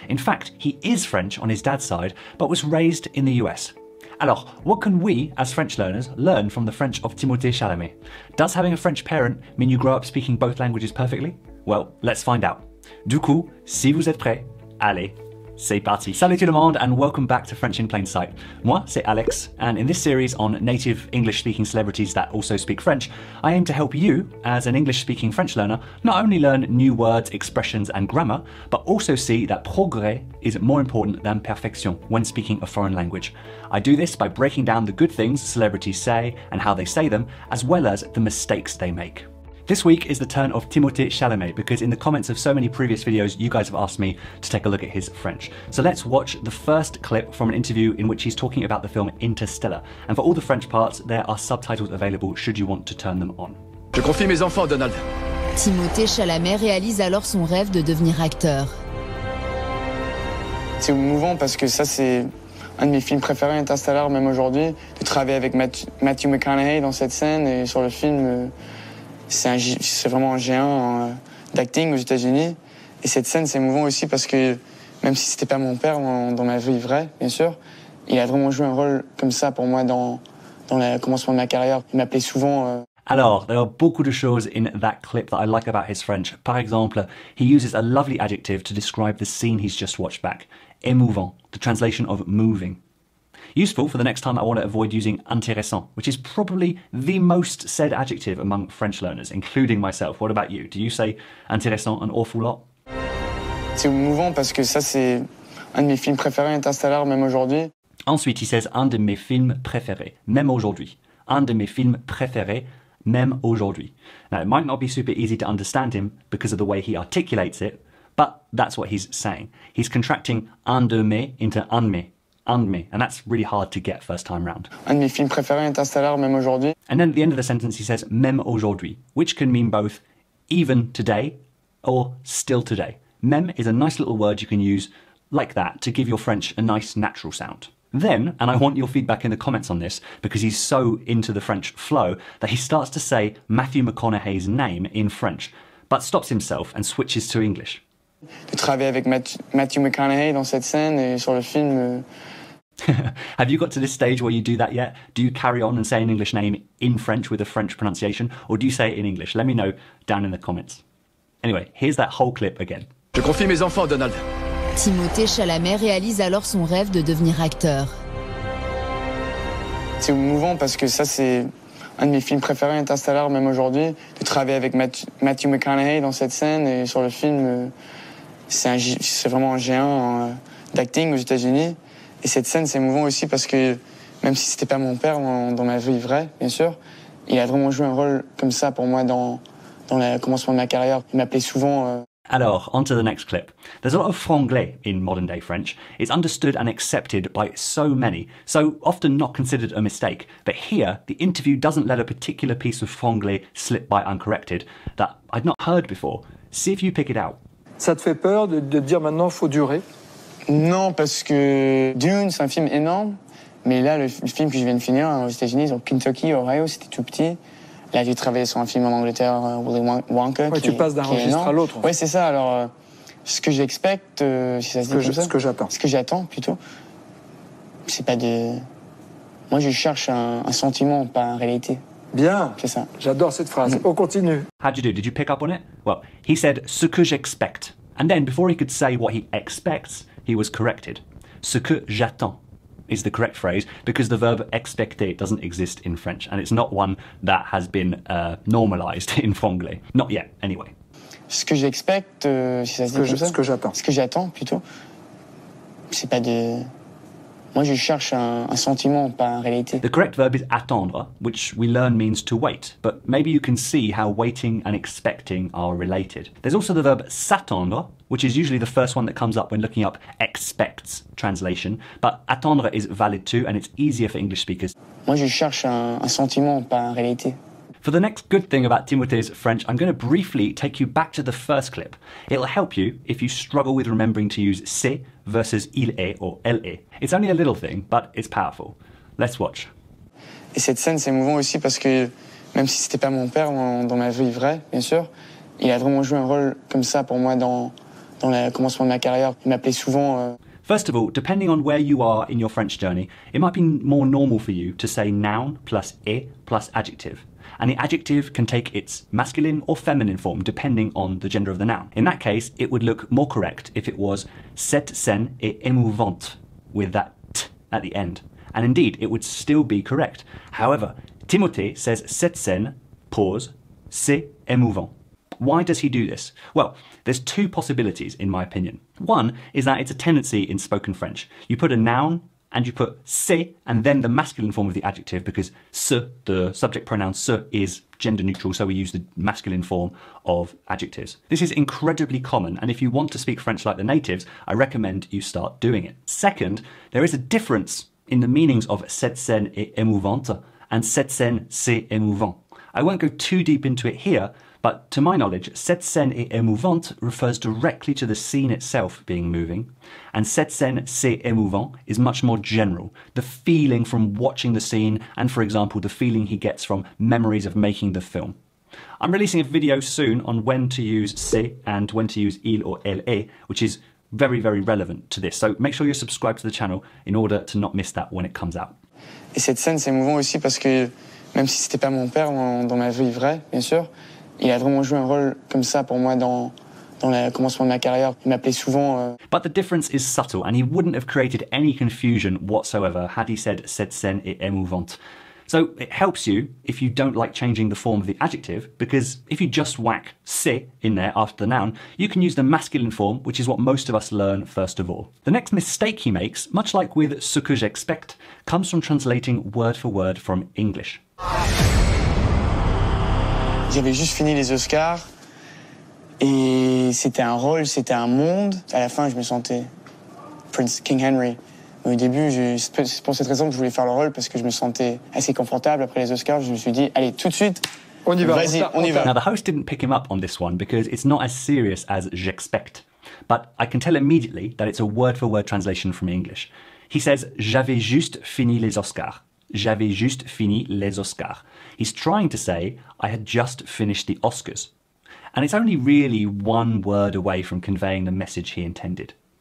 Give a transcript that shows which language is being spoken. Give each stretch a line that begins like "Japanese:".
English: In fact, he is French on his dad's side, but was raised in the US.
French: Alors,
English: what can we, as French learners, learn from the French of Timothée Chalamet? Does having a French parent mean you grow up speaking both languages perfectly? Well, let's find out.
French: Du coup, si vous êtes prêts, allez, c'est parti. Salut tout le monde
English: and welcome back to French in Plain Sight.
French: Moi, c'est
English: Alex, and in this series on native English-speaking celebrities that also speak French, I aim to help you, as an English-speaking French learner, not only learn new words, expressions and grammar, but also see that progrès is more important than perfection when speaking a foreign language. I do this by breaking down the good things celebrities say and how they say them, as well as the mistakes they make. This week is the turn of Timothée Chalamet, because in the comments of so many previous videos, you guys have asked me to take a look at his French. So let's watch the first clip from an interview in which he's talking about the film Interstellar. And for all the French parts, there are subtitles available should you want to turn them on.
French: Je confie mes enfants, Donald. Timothée Chalamet réalise alors son rêve de devenir acteur. C'est émouvant parce que ça, c'est un de mes films préférés, Interstellar, même aujourd'hui. De travailler avec Matthew McConaughey dans cette scène et sur le film. C'est vraiment un géant d'acting aux États-Unis. Et cette scène, c'est émouvant aussi parce que, même si c'était pas mon père dans ma vie vraie, bien sûr, il a vraiment joué un rôle comme ça pour moi dans le commencement de ma carrière. Il m'appelait souvent. Alors,
English: there are
French: beaucoup de choses
English: in that clip that I like about his French.
French: Par exemple,
English: he uses a lovely adjective to describe the scene he's just watched back. Émouvant, the translation of moving. Useful for the next time I want to avoid using intéressant, which is probably the most said adjective among French learners, including myself. What about you? Do you say intéressant an awful lot?
French: C'est émouvant parce que ça c'est un de mes films préférés, Interstellar, même aujourd'hui. Ensuite,
English: he says
French: un de mes films préférés, même aujourd'hui. Un de mes films préférés, même aujourd'hui.
English: Now, it might not be super easy to understand him because of the way he articulates it, but that's what he's saying. He's contracting
French: un de mes
English: into
French: un mes.
English: And me, and that's really hard to get first time round.
French: Un de mes films préférés, Interstellar, même aujourd'hui.
English: And then at the end of the sentence, he says
French: même aujourd'hui,
English: which can mean both even today or still today. Même is a nice little word you can use like that to give your French a nice natural sound. Then, and I want your feedback in the comments on this, because he's so into the French flow that he starts to say Matthew McConaughey's name in French, but stops himself and switches to English.
French: De travailler avec Matthew McConaughey dans cette scène et sur le film.
English: Have you got to this stage where you do that yet? Do you carry on and say an English name in French with a French pronunciation, or do you say it in English? Let me know down in the comments. Anyway, here's that whole clip again.
French: Je confie mes enfants, Donald. Timothée Chalamet réalise alors son rêve de devenir acteur. C'est émouvant parce que ça c'est un de mes films préférés, Interstellar, même aujourd'hui. De travailler avec Matthew McConaughey dans cette scène et sur le film. C'est vraiment un géant d'acting aux États-Unis. Et cette scène, c'est émouvant aussi parce que, même si c'était pas mon père dans ma vie vraie, bien sûr, il a vraiment joué un rôle comme ça pour moi dans le commencement de ma carrière. Il m'appelait souvent. Alors,
English: on to the next clip. There's a lot of franglais in modern day French. It's understood and accepted by so many, so often not considered a mistake. But here, the interview doesn't let a particular piece of franglais slip by uncorrected that I'd not heard before. See if you pick it out.
French: Ça te fait peur de dire maintenant faut durer? Non, parce que Dune, c'est un film énorme. Mais là, le film que je viens de finir aux États-Unis, en Kentucky, Ohio, c'était tout petit. Là, j'ai travaillé sur un film en Angleterre, Willy Wonka. Ouais, tu passes d'un registre à l'autre. Ouais, c'est ça. Alors, ce que j'expecte, si ça se dit comme ça. Ce que j'attends. Ce que j'attends, plutôt. C'est pas de. Moi, je cherche un sentiment, pas une réalité. Bien. C'est ça. J'adore cette phrase. On continue.
English: How'd you do? Did you pick up on it? Well, he said,
French: ce que j'expecte.
English: And then, before he could say what he expects, he was corrected.
French: Ce que j'attends
English: is the correct phrase, because the verb expecter doesn't exist in French, and it's not one that has been normalized in franglais. Not yet, anyway.
French: Ce que j'expecte, si ça se dit comme ça. Ce que j'attends. Ce que j'attends, plutôt. C'est pas de. Moi, je cherche un sentiment, pas une réalité.
English: The correct verb is attendre, which we learn means to wait. But maybe you can see how waiting and expecting are related. There's also the verb s'attendre, which is usually the first one that comes up when looking up expects translation. But attendre is valid too, and it's easier for English speakers. Moi, je cherche un sentiment, pas une réalité. For the next good thing about Timothée's French, I'm going to briefly take you back to the first clip. It'll help you if you struggle with remembering to use c'est versus il est or elle est. It's only a little thing, but it's powerful. Let's watch.
French: Et cette scène, c'est émouvant aussi parce que, même si c'était pas mon père dans ma vie vraie, bien sûr, Il a vraiment joué un rôle comme ça pour moi dans le commencement de ma carrière. Il m'appelait souvent...
English: First of all, depending on where you are in your French journey, it might be more normal for you to say noun plus e plus adjective. And the adjective can take its masculine or feminine form depending on the gender of the noun. In that case, it would look more correct if it was
French: cette scène est émouvante
English: with that t at the end. And indeed, it would still be correct. However, Timothée says
French: cette scène,
English: pause,
French: c'est émouvant.
English: Why does he do this? Well, there's two possibilities, in my opinion. One is that it's a tendency in spoken French. You put a noun and you put se and then the masculine form of the adjective because se, the subject pronoun se, is gender neutral, so we use the masculine form of adjectives. This is incredibly common, and if you want to speak French like the natives, I recommend you start doing it. Second, there is a difference in the meanings of
French: cette scène est émouvante
English: and
French: cette scène c'est émouvant.
English: I won't go too deep into it here, but to my knowledge,
French: cette scène est émouvante
English: refers directly to the scene itself being moving, and
French: cette scène c'est émouvant
English: is much more general. The feeling from watching the scene, and for example, the feeling he gets from memories of making the film. I'm releasing a video soon on when to use c'est and when to use il or elle est, which is very, very relevant to this. So make sure you're subscribed to the channel in order to not miss that when it comes out.
French: Et cette scène c'est émouvant aussi parce que même si c'était pas mon père dans ma vie vraie, bien sûr. Il a vraiment joué un rôle comme ça pour moi dans le commencement de ma carrière. Il m'appelait souvent...
English: But the difference is subtle, and he wouldn't have created any confusion whatsoever had he said
French: cette scène est émouvante.
English: So it helps you if you don't like changing the form of the adjective, because if you just whack c'est in there after the noun, you can use the masculine form, which is what most of us learn first of all. The next mistake he makes, much like with
French: ce que j'expecte,
English: comes from translating word for word from English.
French: J'avais juste fini les Oscars et c'était un rôle, c'était un monde. À la fin, je me sentais Prince King Henry. Mais au début, c'est pour cette raison que je voulais faire le rôle parce que je me sentais assez confortable après les Oscars. Je me suis dit, allez, tout de suite, on y va. Vas-y, on y va.
English: Now, the host didn't pick him up on this one because it's not as serious as j'expecte. But I can tell immediately that it's a word-for-word translation from English. He says,
French: j'avais juste fini les Oscars.
English: J'avais juste fini les Oscars. He's trying to say, I had just finished the Oscars. And it's only really one word away from conveying the message he intended.